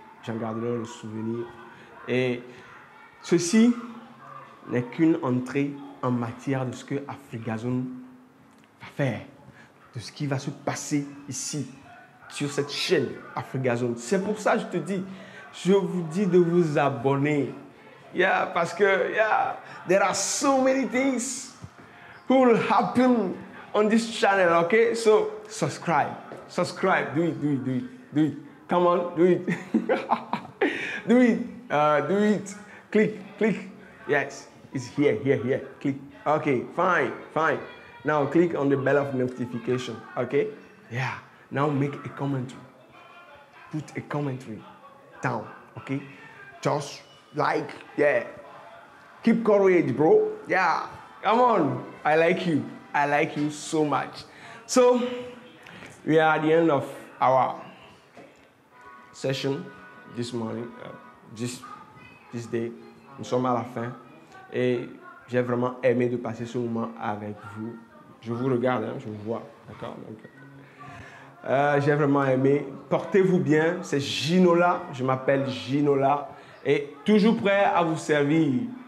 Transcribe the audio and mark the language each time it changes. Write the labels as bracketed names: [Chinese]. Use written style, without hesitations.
[French] J'en garderai le souvenir. Et ceci n'est qu'une entrée en matière de ce que AfriGazon va faire, de ce qui va se passer ici, sur cette chaîne AfriGazon. C'est pour ça que je vous dis de vous abonner. [English] Yeah, [French] parce que, [English] yeah, there are so many things who will happen on this channel, okay? So, subscribe, do it. Come on, do it. Click. Yes, it's here. Click. Okay, fine. Now, click on the bell of notification, okay? Yeah. Now make a commentary. Put a commentary down, okay? Just like, yeah. Keep courage, bro. Yeah, come on. I like you so much. So, we are at the end of our session this morning, this day. [French] Nous sommes à la fin. Et j'ai vraiment aimé de passer ce moment avec vous. Je vous regarde, hein, je vous vois, d'accord? Donc, j'ai vraiment aimé. Portez-vous bien. C'est Ginola. Je m'appelle Ginola. Et toujours prêt à vous servir.